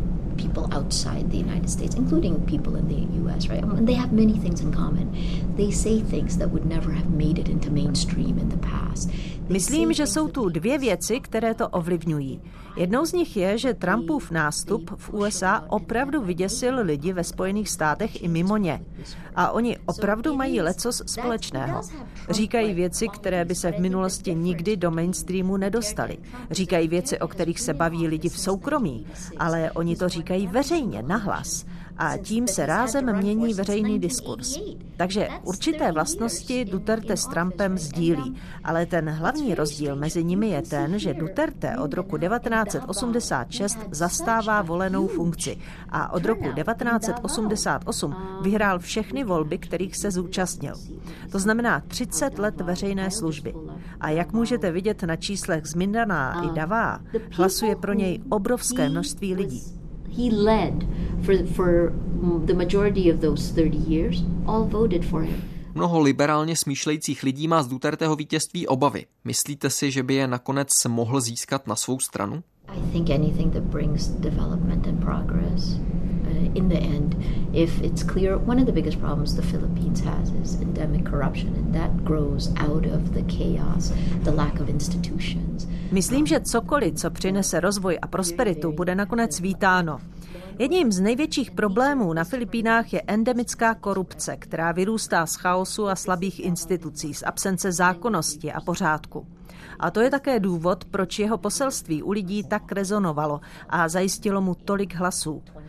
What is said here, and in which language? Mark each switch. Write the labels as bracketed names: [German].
[English] People outside the United States, including people in the U.S., right? And they have many things in common. They say things that would never have made it into mainstream in the past. [Czech] Myslím, že jsou tu dvě věci, které to ovlivňují. Jednou z nich je, že Trumpův nástup v USA opravdu vyděsil lidi ve Spojených státech i mimo ně. A oni opravdu mají leccos společného. Říkají věci, které by se v minulosti nikdy do mainstreamu nedostaly. Říkají věci, o kterých se baví lidi v soukromí, ale oni to říkají veřejně, nahlas. a tím se rázem mění veřejný diskurs. Takže určité vlastnosti Duterte s Trumpem sdílí, ale ten hlavní rozdíl mezi nimi je ten, že Duterte od roku 1986 zastává volenou funkci a od roku 1988 vyhrál všechny volby, kterých se zúčastnil. To znamená 30 let veřejné služby. A jak můžete vidět na číslech z Mindanao i Davao, hlasuje pro něj obrovské množství lidí. [English] He led for the majority of those 30 years, all voted for him. [Czech] Mnoho liberálně smýšlejících lidí má z Duterteho vítězství obavy. Myslíte si, že by je nakonec mohl získat na svou stranu? [English] I think anything that brings development and progress in the end, if it's clear, one of the biggest problems the Philippines has is endemic corruption, and that grows out of the chaos, the lack of institutions. [Czech] Myslím, že cokoliv, co přinese rozvoj a prosperitu, bude nakonec vítáno. Jedním z největších problémů na Filipínách je endemická korupce, která vyrůstá z chaosu a slabých institucí, z absence zákonnosti a pořádku. A to je také důvod, proč jeho poselství u lidí tak rezonovalo a zajistilo mu tolik hlasů.